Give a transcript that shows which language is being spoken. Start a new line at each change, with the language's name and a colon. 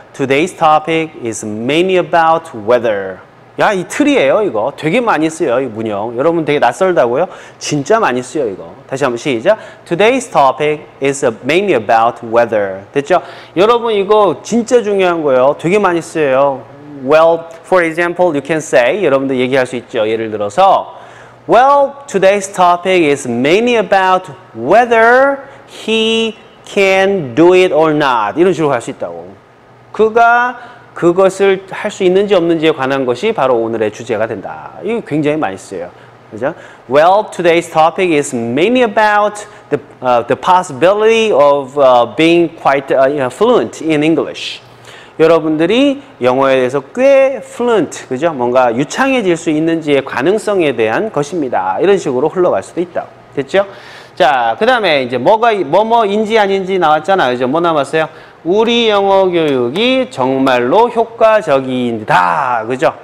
English: Today's topic is mainly about weather.
Korean: 야, 이 틀이에요, 이거. 되게 많이 쓰여요, 이 문형. 여러분 되게 낯설다고요? 진짜 많이 쓰여요, 이거. 다시 한번 시작.
English: Today's topic is mainly about weather.
Korean: 됐죠? 여러분 이거 진짜 중요한 거예요. 되게 많이 쓰여요.
English: Well, for example, you can say,
Korean: 여러분들 얘기할 수 있죠. 예를 들어서,
English: Well, today's topic is mainly about whether he can do it or not.
Korean: 이런 식으로 할 수 있다고. 그가 그것을 할 수 있는지 없는지에 관한 것이 바로 오늘의 주제가 된다. 이거 굉장히 많이 쓰여요. 그죠?
English: Well, today's topic is mainly about the possibility of being quite fluent in English.
Korean: 여러분들이 영어에 대해서 꽤 fluent, 그죠? 뭔가 유창해질 수 있는지의 가능성에 대한 것입니다. 이런 식으로 흘러갈 수도 있다. 됐죠? 자, 그 다음에 이제 뭐가, 뭐뭐인지 아닌지 나왔잖아요. 이제 뭐 남았어요? 우리 영어 교육이 정말로 효과적입니다. 그죠?